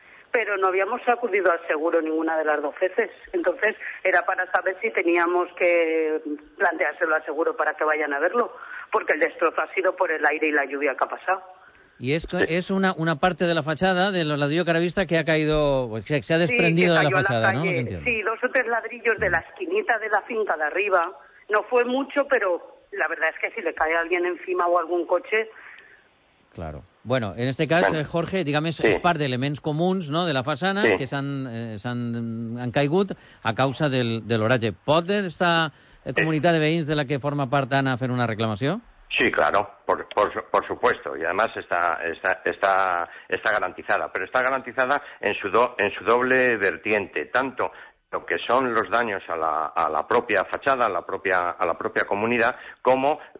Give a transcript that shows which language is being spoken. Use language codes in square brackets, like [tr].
[es] Pero no habíamos acudido al seguro ninguna de las dos veces. Entonces, era para saber si teníamos que planteárselo al seguro para que vayan a verlo, porque el destrozo ha sido por el aire y la lluvia que ha pasado. Y esto es una parte de la fachada del ladrillo caravista que ha caído, pues, que se ha desprendido, sí, de la fachada, ¿no? Sí, dos o tres ladrillos de la esquinita de la finca de arriba. No fue mucho, pero la verdad es que si le cae alguien encima o algún coche... Claro. Bueno, en este caso, Jorge, dígame, [ca] sí, es part d'elements comuns, ¿no?, de la façana, sí, que s'han caigut a causa de l'oratge. ¿Pot esta comunitat de veïns de la que forma part Anna fer una reclamació? [es] Sí, claro, por supuesto, y además está garantizada, pero está garantizada en su doble vertiente, tanto lo que son los daños a la propia fachada, a la propia comunidad, como,